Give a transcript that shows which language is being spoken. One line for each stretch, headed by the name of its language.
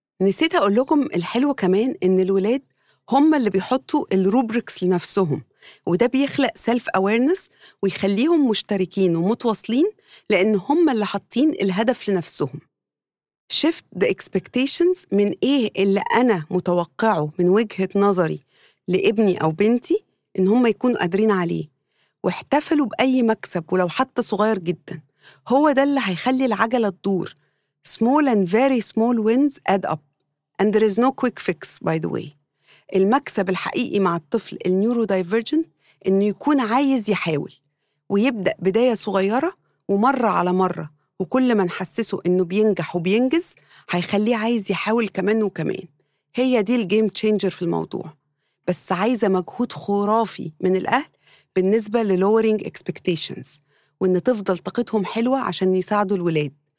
Arabic: نسيت أقول لكم الحلو كمان، إن الولاد هم اللي بيحطوا الروبريكس لنفسهم، وده بيخلق
English: self awareness
Arabic: ويخليهم مشتركين ومتواصلين، لأن هم اللي حاطين الهدف لنفسهم.
English: Shift the expectations
Arabic: من إيه اللي أنا متوقعه من وجهة نظري لإبني أو بنتي إن هم يكونوا قادرين عليه، واحتفلوا بأي مكسب ولو حتى صغير جدا. هو ده اللي هيخلي العجلة تدور.
English: Small and very small wins add up. And there is no quick fix, by the way.
Arabic: المكسب الحقيقي مع الطفل النيورودايفيرجنت إنه يكون عايز يحاول، ويبدأ بداية صغيرة ومرة على مرة، وكل ما نحسسه إنه بينجح وبينجز هيخليه عايز يحاول كمان وكمان. هي دي
English: الجيم تشينجر
Arabic: في الموضوع، بس عايزة مجهود خرافي من الأهل بالنسبة
English: للورينج اكسبكتيشنز،
Arabic: وإن تفضل طاقتهم حلوة عشان يساعدوا الولاد.